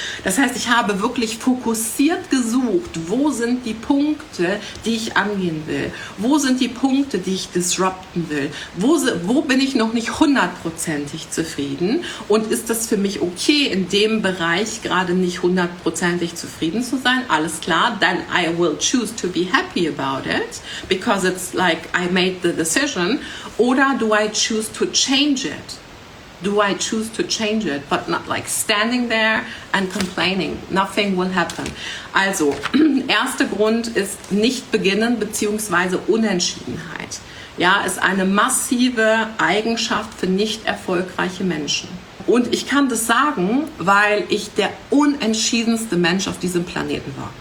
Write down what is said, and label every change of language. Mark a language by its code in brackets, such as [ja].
[de] Das heißt, ich habe wirklich fokussiert gesucht, wo sind die Punkte, die ich angehen will? Wo sind die Punkte, die ich disrupten will? Wo bin ich noch nicht hundertprozentig zufrieden? Und ist das für mich okay, in dem Bereich gerade nicht hundertprozentig zufrieden zu sein? Alles klar, [en] then I will choose to be happy about it, because it's like I made the decision. [de] Oder [en] do I choose to change it? Do I choose to change it, but not like standing there and complaining? Nothing will happen. [de] Also, erster Grund ist nicht beginnen bzw. Unentschiedenheit. Ja, ist eine massive Eigenschaft für nicht erfolgreiche Menschen. Und ich kann das sagen, weil ich der unentschiedenste Mensch auf diesem Planeten war.